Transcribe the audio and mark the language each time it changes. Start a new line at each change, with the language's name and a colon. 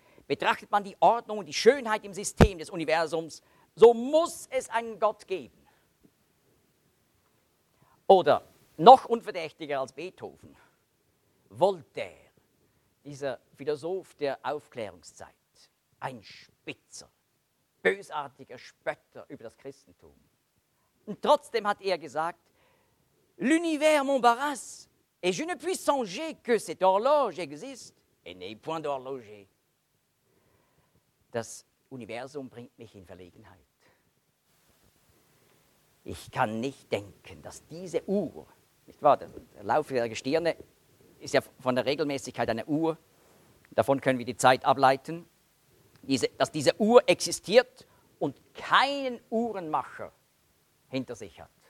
German: Betrachtet man die Ordnung und die Schönheit im System des Universums, so muss es einen Gott geben. Oder noch unverdächtiger als Beethoven, Voltaire, dieser Philosoph der Aufklärungszeit, ein Spitzer. bösartiger Spötter über das Christentum.
French: Und trotzdem hat er gesagt, l'univers m'embarrasse, et je ne puis songer que cette horloge existe, et n'est point d'horloger.
German: Das Universum bringt mich in Verlegenheit. Ich kann nicht denken, dass diese Uhr, nicht wahr, der Lauf der Gestirne ist ja von der Regelmäßigkeit einer Uhr, davon können wir die Zeit ableiten, dass diese Uhr existiert und keinen Uhrenmacher hinter sich hat.